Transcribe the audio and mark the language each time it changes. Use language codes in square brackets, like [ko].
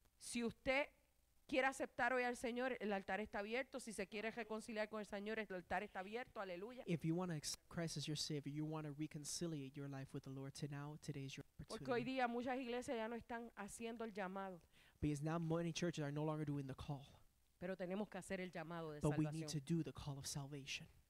[es] Si usted quiere aceptar hoy al Señor, el altar está abierto. Si se quiere reconciliar con el Señor, el altar está abierto. Aleluya. [en] If you want to accept Christ as your Savior, you want to reconciliate your life with the Lord, to now, today is your opportunity. [es] Porque hoy día muchas iglesias ya no están haciendo el llamado. [en] Because now many churches are no longer doing the call. [es] Pero tenemos que hacer el llamado de [en] But [es] salvación. [en] But we need to do the call of salvation.